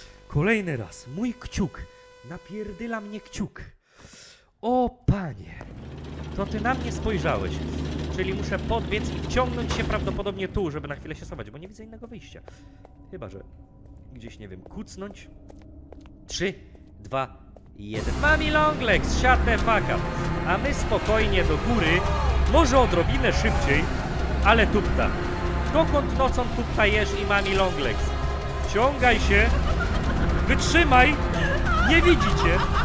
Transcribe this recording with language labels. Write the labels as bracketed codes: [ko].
[pl] Kolejny raz. Mój kciuk. Napierdyla mnie kciuk. O panie. To ty na mnie spojrzałeś. Czyli muszę podbiec i wciągnąć się prawdopodobnie tu, żeby na chwilę się schować, bo nie widzę innego wyjścia. Chyba, że gdzieś, nie wiem, kucnąć. 3, 2, 1. [en] Mami long legs, shut the fuck up. [pl] A my spokojnie do góry. Może odrobinę szybciej, ale tupta. Dokąd nocą tupta jesz i mami long legs? Wciągaj się. Wytrzymaj. Nie widzicie.